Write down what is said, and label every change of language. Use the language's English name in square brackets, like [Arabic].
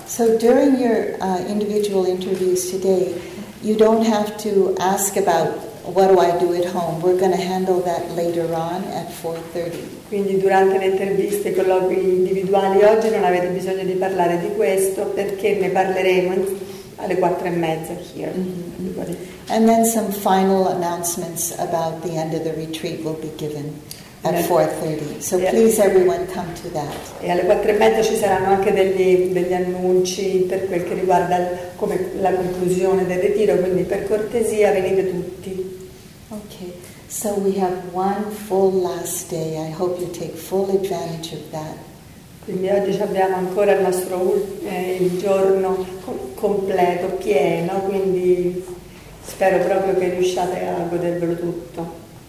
[English] So during your individual interviews today, you don't have to ask about what do I do at home. We're going to handle that later on at 4:30. [Italian] Quindi durante le interviste, i colloqui individuali oggi non avete bisogno di parlare di questo perché ne parleremo alle 4:30 here. Mm-hmm. [English] And then some final announcements about the end of the retreat will be given at 4:30. So please everyone come to that. [Italian] E alle 4:30 ci saranno anche degli annunci per quel che riguarda come la conclusione del ritiro, quindi per cortesia venite tutti. [English] Okay. So we have one full last day. I hope you take full advantage of that. [Italian] Quindi oggi abbiamo ancora il nostro il giorno completo, pieno, quindi spero proprio che riusciate a godervelo tutto.